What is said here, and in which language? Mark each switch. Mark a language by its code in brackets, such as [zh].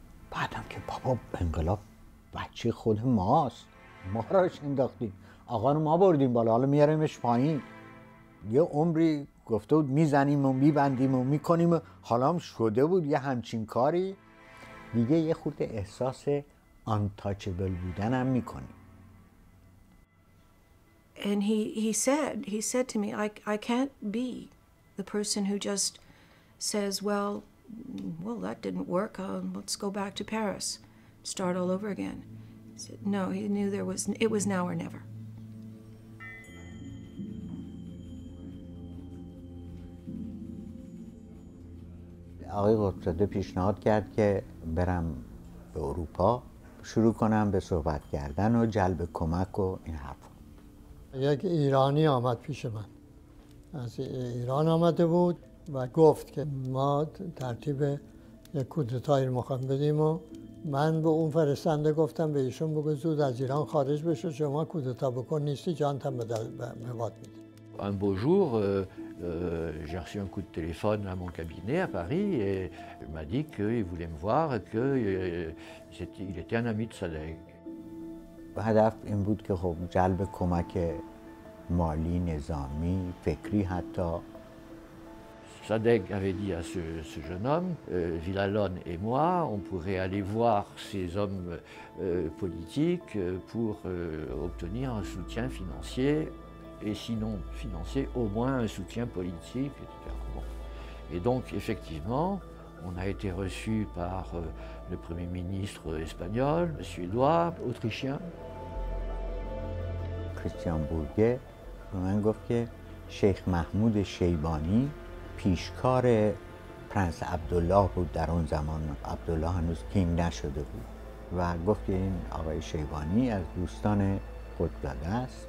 [fa] بعدم که بابا انقلاب بچه خود ماست، ما راش انداختیم، آقا رو ما بردیم بالا، حالا میاریمش پایین. یه عمری گفته بود میزنیم و میبندیم و میکنیم، حالا هم شده بود یه همچین کاری. دیگه یه خورده احساس انتاچبل بودن هم میکنیم. [en] And he said to me, I can't be the person who just says, well, that didn't work. Let's go back to Paris, start all over again. He said, no, he knew it was now or never. [fa] آقای قطب‌زاده پیشنهاد کرد که برم به اروپا، شروع کنم به صحبت کردن و جلب کمک و این حرف. یک ایرانی آمد پیش من، از ایران آمده بود و گفت که ما ترتیب یک کودتایی رو میخوام بدیم. و من به اون فرستنده گفتم به ایشون بگو زود از ایران خارج بشه، شما کودتا بکن نیستی جانتم به باد میدیم. [fr] Un beau jour, j'ai reçu un coup de téléphone à mon cabinet à Paris et il m'a dit qu'il voulait me voir et qu'il était un ami de Sadegh. [fa] هدف این بود که خب جلب کمک مالی، نظامی، فکری حتی. [fr] Sadegh avait dit à ce jeune homme, Villalon et moi, on pourrait aller voir ces hommes politiques pour obtenir un soutien financier et sinon financier, au moins un soutien politique, etc. Bon. Et donc effectivement, on a été reçu par le premier ministre espagnol, suédois, autrichien. [fa] کریستیان بورگه به من گفت که شیخ محمود شیبانی پیشکار پرنس عبدالله بود در اون زمان، عبدالله هنوز کینگ نشده بود، و گفت که این آقای شیبانی از دوستان قطب‌زاده است.